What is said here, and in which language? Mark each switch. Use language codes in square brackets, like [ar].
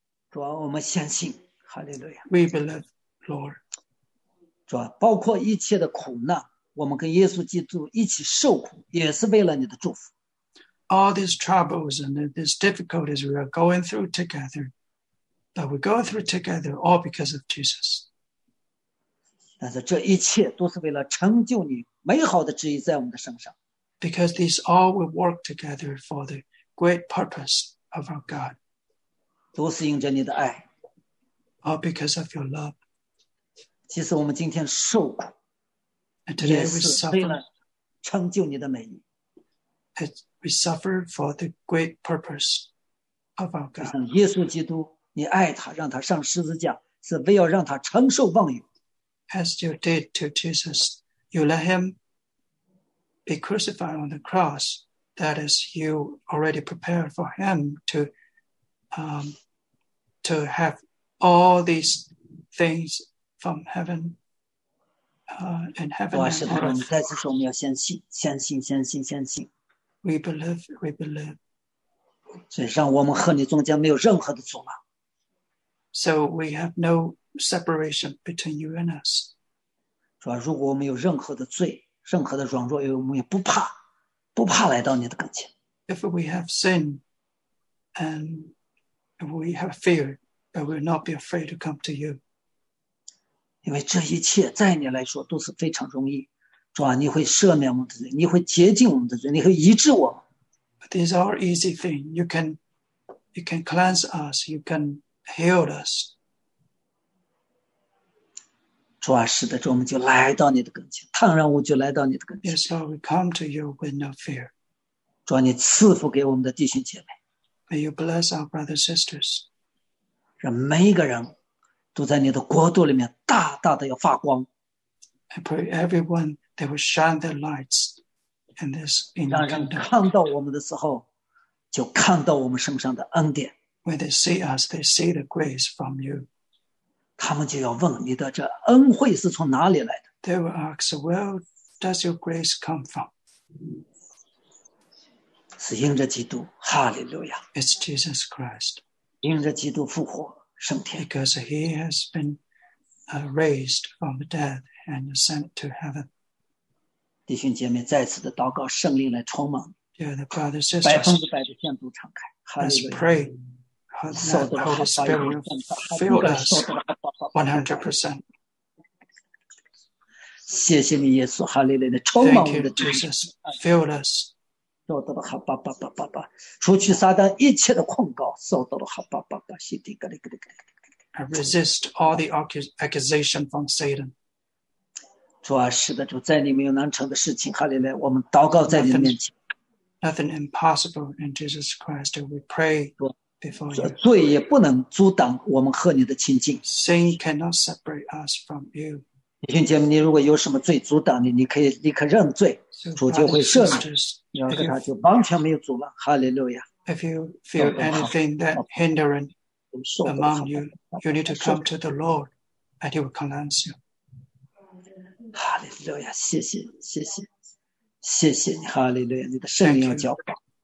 [zh] 主啊，我们相信，哈利路亚。 [en] We believe, Lord. [zh] 主啊，包括一切的苦难，我们跟耶稣基督一起受苦，也是为了你的祝福。 [en] All these troubles and these difficulties we are going through together, that we go through together, all because of Jesus. [zh] 但是这一切都是为了成就你美好的旨意在我们的身上。 [en] Because these all will work together for the great purpose of our God. [zh] 都是因着你的爱。 [en] All because of your love. [zh] 其实我们今天受苦。 [en] And today we suffer. [zh] 也是为了成就你的美意。 [en] We suffer for the great purpose of our God. [zh] 像耶稣基督，你爱他，让他上十字架，是为要让他承受万有。 [en] As you did to Jesus, you let him be crucified on the cross. That is, you already prepared for him to have all these things from heaven, in heaven and earth. [zh] 你再次说，我们要相信，相信，相信，相信。 [en] We believe, we believe. [zh] 所以，让我们和你中间没有任何的阻拦。 [en] So we have no separation between you and us. [zh] 主啊，如果我们有任何的罪，任何的软弱，我们也不怕，不怕来到你的跟前。 [en] If we have sin, and we have fear, but we'll not be afraid to come to you. [zh] 因为这一切在你来说都是非常容易。主啊，你会赦免我们的罪，你会洁净我们的罪，你会医治我。 [en] But these are easy things. You can cleanse us. You can heal us. [zh] 主啊，是的，主，我们就来到你的跟前，坦然无惧来到你的跟前。 [en] Yes, Lord, we come to you with no fear. [zh] 主啊，你赐福给我们的弟兄姐妹。 [en] May you bless our brothers and sisters. [zh] 让每一个人都在你的国度里面大大的要发光。 [en] I pray everyone. They will shine their lights in this kingdom. [zh] 让人看到我们的时候，就看到我们身上的恩典。 [en] When they see us, they see the grace from you. [zh] 他们就要问你的这恩惠是从哪里来的。 [en] They will ask, "Where does your grace come from?" [zh] 是因着基督，哈利路亚。 [en] It's Jesus Christ. [zh] 因着基督复活升天。 [en] Because he has been raised from the dead and sent to heaven. [zh] 弟兄姐妹，再次的祷告，圣灵来充满。 [en] Yeah, the brother, sister, [zh] 100%的向主敞开。 [en] Let's pray. Let the Holy Spirit fill us 100%. [zh] 谢谢你，耶稣，哈利路亚，充满我们的主。 [en] Thank you, Jesus. Fill us. [zh] 受到了哈巴巴巴巴巴，除去撒旦一切的控告，受到了哈巴巴巴，西底格里格里格里。 [en] I resist all the accusation from Satan. [zh] 主啊，是的，主，在你没有难成的事情，哈利路亚，我们祷告在你的面前。 [en] Nothing impossible in Jesus Christ. We pray before you. [zh] 罪也不能阻挡我们和你的亲近。 [en] Sin cannot separate us from you. [zh] 弟兄姐妹，你如果有什么罪阻挡你，你可以立刻认罪，主就会赦免，你要跟他就完全没有阻拦，哈利路亚。 [en] If you feel anything that hindering among you, you need to come to the Lord, and He will cleanse you. [zh] 哈利路亚，谢谢，谢谢，谢谢你，哈利路亚，你的圣灵要浇灌。